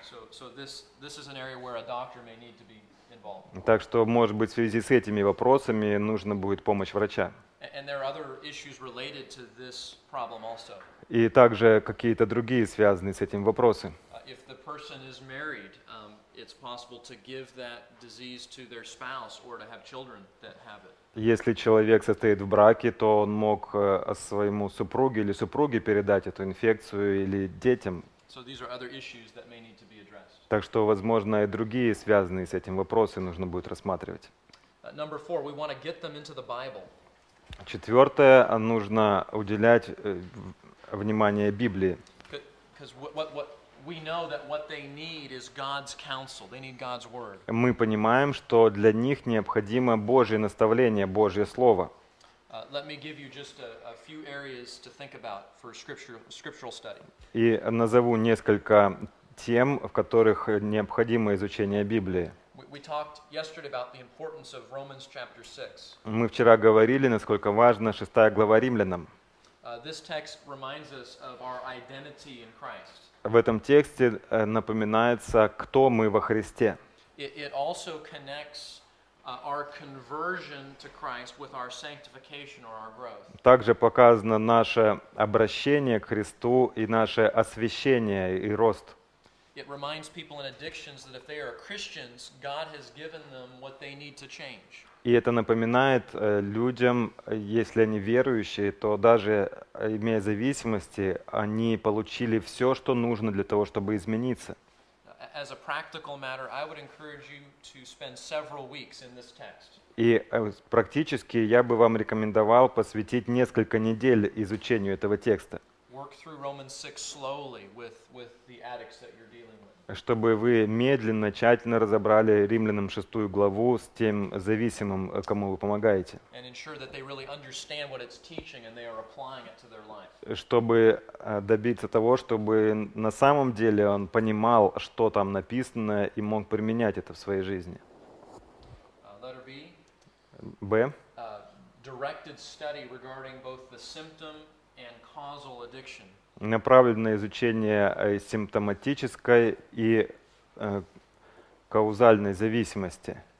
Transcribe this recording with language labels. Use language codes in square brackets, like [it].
[en] So this is an area where a doctor may need to be involved. [ru] Так что, может быть, в связи с этими вопросами нужно будет помощь врача. [en] And there are other issues related to this problem also. [ru] И также какие-то другие связанные с этим вопросы. [en] If the person is married, it's possible to give that disease to their spouse or to have children that have it. [ru] Если человек состоит в браке, то он мог своему супруге или супруге передать эту инфекцию или детям. [en] So these are other issues that may need to be addressed. [ru] Так что, возможно, и другие связанные с этим вопросы нужно будет рассматривать. [en] Number four, we want to get them into the Bible. [ru] Четвертое, нужно уделять внимание Библии. [en] Because we know that what they need is God's counsel. They need God's word. [ru] Мы понимаем, что для них необходимо Божье наставление, Божье слово. [en] Let me give you just a few areas to think about for scriptural study. [ru] И назову несколько тем, в которых необходимо изучение Библии. [en] We talked yesterday about the importance of Romans chapter 6. [ru] Мы вчера говорили, насколько важна 6 глава Римлянам. [en] This text reminds us of our identity in Christ. [ru] В этом тексте напоминается, кто мы во Христе. [en] It also connects our conversion to Christ with our sanctification or our growth. [ru] Также показано наше обращение к Христу и наше освящение и рост. [en] It reminds people in addictions that if they are Christians, God has given them what they need to change. [ru] И это напоминает людям, если они верующие, то даже имея зависимости, они получили все, что нужно для того, чтобы измениться. [en] As a practical matter, I would encourage you to spend several weeks in this text. [ru] И практически я бы вам рекомендовал посвятить несколько недель изучению этого текста. [en] Work through Romans 6 slowly with the addicts that you're dealing with. [ru] Чтобы вы медленно, тщательно разобрали Римлянам 6 главу с тем зависимым, кому вы помогаете. [en] And ensure that they really understand what it's teaching and they are applying it to their life. [ru] Чтобы добиться того, чтобы на самом деле он понимал, что там написано, и мог применять это в своей жизни. [en] Letter B. [ru] B. [en] Directed study regarding both the symptom and causal addiction. [ru] Направленное изучение симптоматической и каузальной зависимости.